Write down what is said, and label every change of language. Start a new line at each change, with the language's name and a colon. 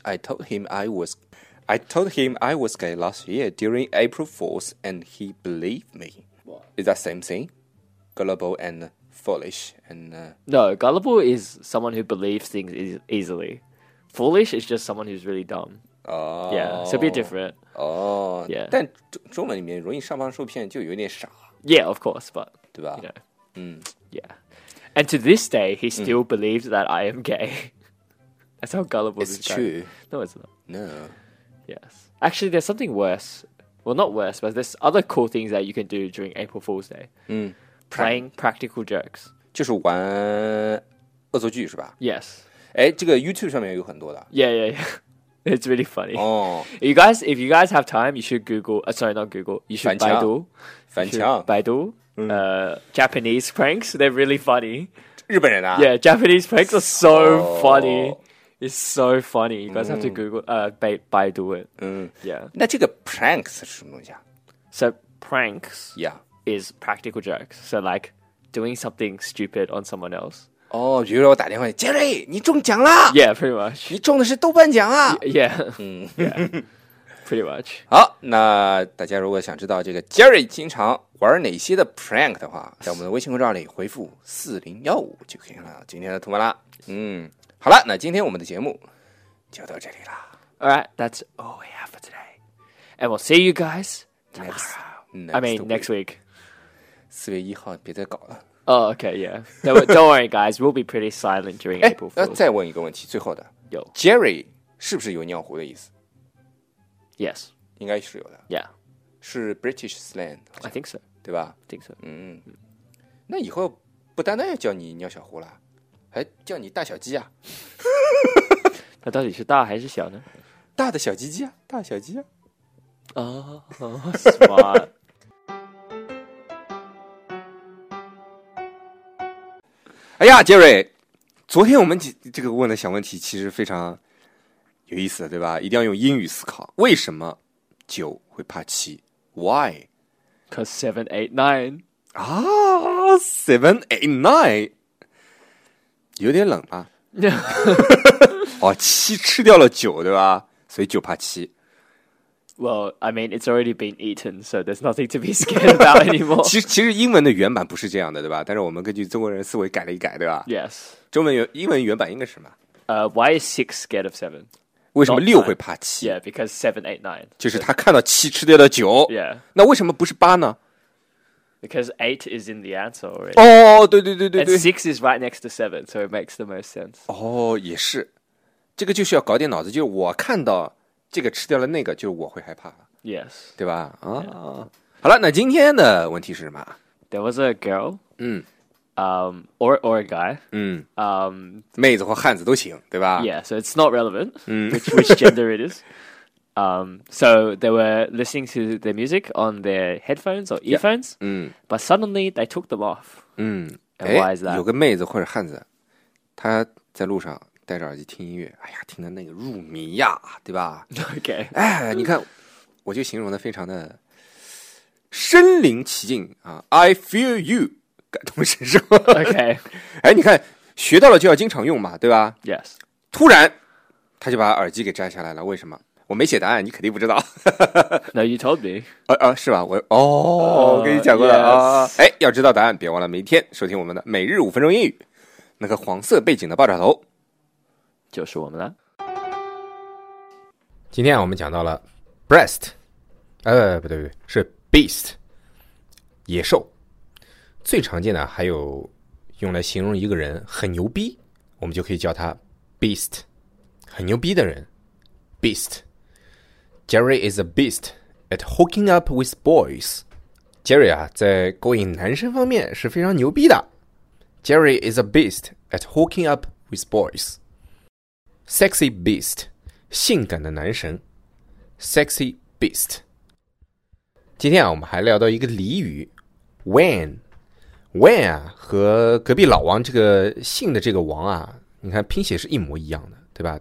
English: I told him I was gay last year during April Fools, and he believed me. What? Is that same thing? Gullible and foolish and No, gullible is someone who believes things easily. Foolish is just someone who's really dumb. Oh, yeah, so a bit different. Oh, yeah.
Chinese: 但中文里面容易上当受骗就有点傻。
English: Yeah, of course, but
Chinese: 对吧？
English: You know, 嗯，Yeah. And to this day, he still believes that I am gay. That's how gullible it's true. No, it's not. No. Yes. Actually, there's something worse. Well, not worse, but there's other cool things that you can do during April Fool's Day. Playing practical jokes.
Chinese: 就是玩恶作剧是吧
English: ？Yes.
Chinese: 哎，这个 YouTube 上面有很多的。
English: Yeah. It's really funny. Oh. If you guys have time, you should Google. Sorry, not Google. You should Baidu.
Chinese: 翻墙。
English: Baidu. Japanese pranks. They're really funny.
Chinese: 日本人啊。
English: Yeah, Japanese pranks are so funny. It's so funny. You guys have to Google, Baidu it. Yeah.
Chinese: 那这个 pranks 是什么东西啊?
English: So pranks yeah. is practical jokes. So like doing something stupid on someone else.
Chinese: Oh, 比如说我打电话, Jerry, 你中奖了!
English: Yeah, pretty much.
Chinese: 你中的是豆瓣奖啊!
English: Yeah. Pretty much.
Chinese: 好,那大家如果想知道这个 Jerry 经常玩哪些的 prank 的话,在我们的微信公众号里回复4015就可以了。今天的图文啦。好了，那今天我们的节目就到这里了。
English: All right, that's all we have for today. And we'll see you guys tomorrow. Next week.
Chinese: 4月1号，别再搞了。
English: Oh, okay, yeah. Don't worry, guys. We'll be pretty silent during April Fool's.
Chinese: 再问一个问题，最后的。有。 Jerry 是不是有尿壶的意思
English: ？Yes.
Chinese: 应该是有的。
English: Yeah.
Chinese: 是 British slang.
English: I think so.
Chinese: 对吧
English: ？I think so.
Chinese: 那以后不单单要叫你尿小壶了。还叫你大小鸡啊？那到底是大还是小呢？大的小鸡鸡啊，大小鸡啊。哦、smart。哎呀，杰瑞，昨天我们这个问的小问题其实非常有意思，对吧？一定要用英语思考，为什么九会怕七 ？
English: Why？ Cause 7, 8, 9
Chinese: 啊 ，7, 8, 9有点冷啊。哦，七吃掉了九，对吧？所以九怕七。
English: Well, I mean, it's already been eaten, so there's nothing to be scared about anymore.
Chinese: 其实英文的原版不是这样的，对吧？但是我们根据中国人思维改了一改，对吧
English: ？Yes.
Chinese: 中文英文原版应该是什么？
English: Why is 6 scared of 7?
Chinese: 为什么六会怕七
English: ？Yeah, because 7, 8, 9.
Chinese: 就是他看到七吃掉了九。
English: Yeah.
Chinese: 那为什么不是八呢
English: ？Because 8 is in the answer already.
Chinese: 哦，对对对对对。
English: And 6 is right next to 7, so it makes the most sense.
Chinese: 哦，也是。这个就是要搞点脑子，就是我看到。这个吃掉了那个，就我会害怕。
English: Yes，
Chinese: 对吧？啊、
English: oh, yeah.
Chinese: ，好了，那今天的问题是什么
English: ？There was a girl，嗯，or a guy，嗯
Chinese: 妹子或汉子都行，对吧
English: ？Yeah， so it's not relevant，、嗯、 which gender it is。 So they were listening to their music on their headphones or earphones， yeah, 嗯，but suddenly they took them off。嗯，Why is that？
Chinese: 有个妹子或者汉子，他在路上。戴着耳机听音乐，哎呀，听的那个入迷呀，对吧
English: ？OK，
Chinese: 哎，你看，我就形容的非常的身临其境啊 ，
English: I feel you，
Chinese: 感同身受。
English: OK，
Chinese: 哎，你看，学到了就要经常用嘛，对吧
English: ？Yes，
Chinese: 突然他就把耳机给摘下来了，为什么？我没写答案，你肯定不知道。
English: No, you told me.
Chinese: 是吧？我跟你讲过了、
English: yes. 啊。
Chinese: 哎，要知道答案，别忘了每天收听我们的每日五分钟英语，那个黄色背景的爆炸头。就是我们了。今天我们讲到了 breast， 不对不对，是 beast， 野兽。最常见的还有用来形容一个人很牛逼，我们就可以叫他 beast， 很牛逼的人 beast。
English: Jerry is a beast at hooking up with boys。
Chinese: Jerry 啊，在勾引男生方面是非常牛逼的。
English: Jerry is a beast at hooking up with boys。 Sexy beast，
Chinese: 性感的男神。
English: Sexy beast。
Chinese: 今天啊，我们还聊到一个俚语 ，when。when 啊，和隔壁老王这个姓的这个王啊，你看拼写是一模一样的，对吧？